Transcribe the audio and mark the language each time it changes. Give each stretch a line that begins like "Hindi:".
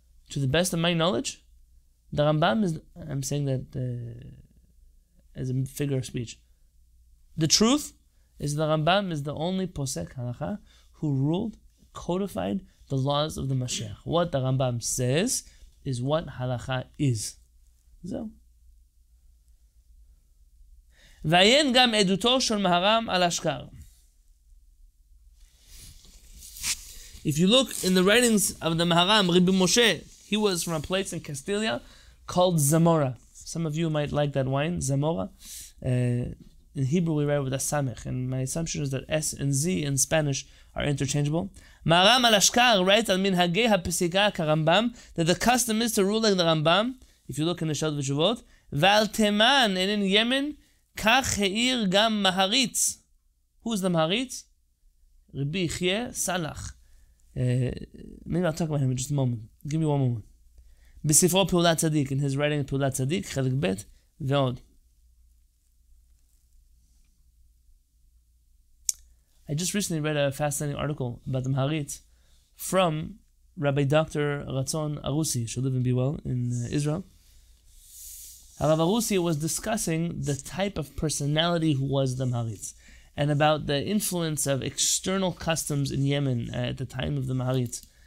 English: To the best of my knowledge, the Rambam is, I'm saying that as a figure of speech. The truth is the Rambam is the only posek halakha who ruled, codified the laws of the Mashiach. What the Rambam says is what halakha is.
Hebrew: So, ועיין גם עדותו של מהרם על השקר.
English: If you look in the writings of the מהרם, Rabbi Moshe, he was from a place in Castilia called Zamora. Some of you might like that wine, Zamora. In Hebrew we write with a samech, and my assumption is that S and Z in Spanish are interchangeable. מהרם על השקר writes
Hebrew: על מנהגי הפסיקה כרמב״ם,
English: that the custom is to rule like the רמב״ם, if you look in the
Hebrew: שאלות ותשובות, ועל תימן,
English: and in Yemen,
Hebrew: כך העיר גם מהריץ.
English: Who's the מהריץ? רבי יחיה סלח. Maybe I'll talk about him in just a moment. Give me one moment.
Hebrew: בספרו פעולה צדיק,
English: in his writing
Hebrew: פעולה צדיק, חלק ב' ועוד.
English: I just recently read a fascinating article about the מהריץ from Rabbi Dr. Ratzon Arusi, who lived in Biwal in Israel. Rav Arusi was discussing the type of personality who was the Maharitz and about the influence of external customs in Yemen at the time of the Maharitz.